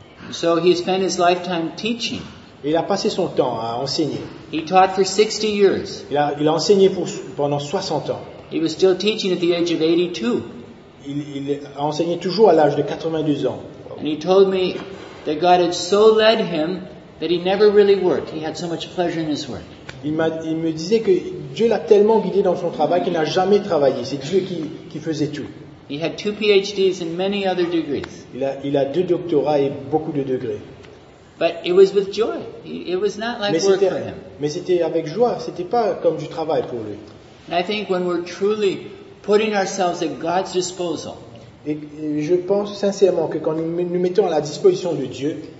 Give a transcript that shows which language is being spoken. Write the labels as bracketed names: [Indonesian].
[English] So he spent his lifetime teaching. [French] Il a passé son temps à enseigner. [English] He taught for 60 years. [French] Il a enseigné pendant 60 ans. [English] He was still teaching at the age of 82. [French] Il a enseigné toujours à l'âge de 82 ans. [English] And he told me that God had so led him that he never really worked. He had so much pleasure in his work. [French] Il me disait que Dieu l'a tellement guidé dans son travail qu'il n'a jamais travaillé. C'est Dieu qui faisait tout. [English] He had 2 PhDs and many other degrees. [French] Il a 2 doctorats et beaucoup de degrés. [English] But it was with joy. It was not like work for him. [French] Mais c'était avec joie. C'était pas comme du travail pour lui. [English] And I think when we're truly putting ourselves at God's disposal, [French] et je pense sincèrement que quand nous mettons à la disposition de Dieu,